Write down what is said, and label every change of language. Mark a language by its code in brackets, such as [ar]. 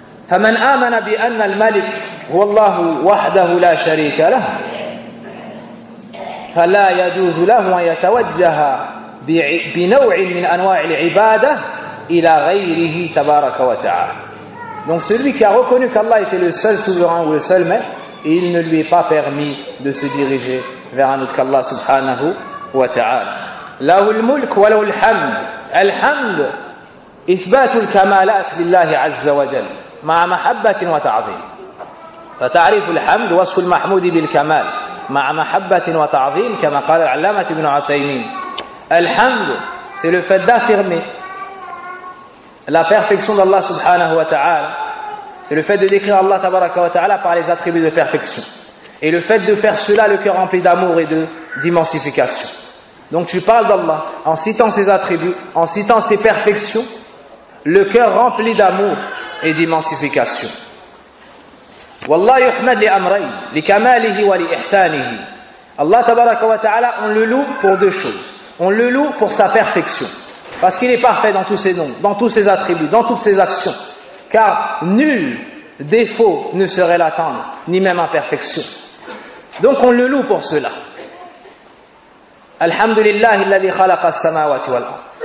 [ar] فَمَنْ آمَنَ بِأَنَّ الْمَلِكَ هُوَ اللَّهُ وَحْدَهُ لَا شَرِيكَ لَهُ فَلَا يَجُوزُ لَهُ أَنْ يَتَوَجَّهَ بِنَوْعٍ مِنْ أَنْوَاعِ الْعِبَادَةِ إلى غيره تبارك وتعالى. [fr] Donc celui qui a reconnu qu'Allah était le seul souverain ou le seul maître, il ne lui est pas permis de se diriger vers un autre qu'Allah subhanahu wa ta'ala. [ar] له الملك وله الحمد. الحمد إثبات الكمالات لله عز وجل مع محبة وتعظيم. فتعريف الحمد وصف المحمود بالكمال مع محبة وتعظيم كما قال العلامة ابن عثيمين. [fr] الحمد c'est le fait d'affirmer la perfection d'Allah subhanahu wa ta'ala, c'est le fait de décrire Allah tabaraka wa ta'ala par les attributs de perfection. Et le fait de faire cela le cœur rempli d'amour et d'immensification. Donc tu parles d'Allah en citant ses attributs, en citant ses perfections, le cœur rempli d'amour et d'immensification. [ar] والله يحمد لأمرين لكماله ولإحسانه. [fr] الله تبارك وتعالى on le loue pour deux choses. On le loue pour sa perfection, parce qu'il est parfait dans tous ses noms, dans tous ses attributs, dans toutes ses actions, car nul défaut ne saurait l'atteindre, ni même imperfection. Donc on le loue pour cela. [ar] Alhamdulillah alladhi khalaqa as-samawati wal ard.